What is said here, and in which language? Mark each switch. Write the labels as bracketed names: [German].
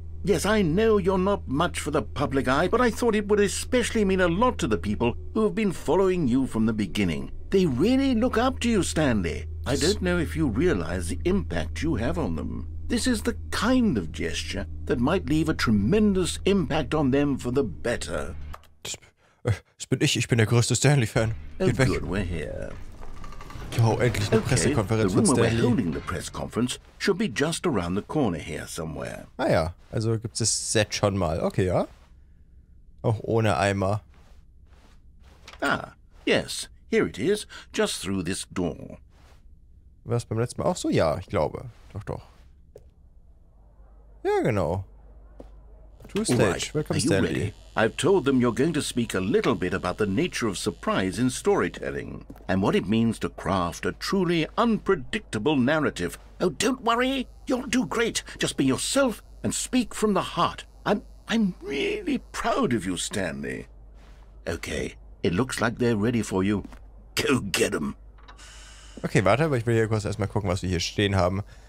[English] Yes, I know you're not much for the public eye, but I thought it would especially mean a lot to the people who have been following you from the beginning. They really look up to you, Stanley. I don't know if you realize the impact you have on them. This is the kind of gesture that might leave a tremendous impact on them for the better. [German] Das bin ich. Ich bin der größte Stanley-Fan. Geht weg. [English] Good, we're here. [German] Jo, endlich eine Pressekonferenz mit Stanley. [English] The room where we're holding the press conference should be just around the corner here somewhere. [German] Ah ja, also gibt's das Set schon mal. Okay, ja. Auch ohne Eimer. [English] Ah, yes. Here it is. Just through this door. [German] War es beim letzten Mal auch so? Ja, ich glaube. Doch, doch. Ja, genau. [English] To stage. Right. Welcome, are you Stanley. Ready? I've told them you're going to speak a little bit about the nature of surprise in storytelling and what it means to craft a truly unpredictable narrative. Oh, don't worry. You'll do great. Just be yourself and speak from the heart. I'm really proud of you, Stanley. Okay, it looks like they're ready for you. Go get 'em. [German] Okay, warte, aber ich will hier kurz erstmal gucken, was wir hier stehen haben.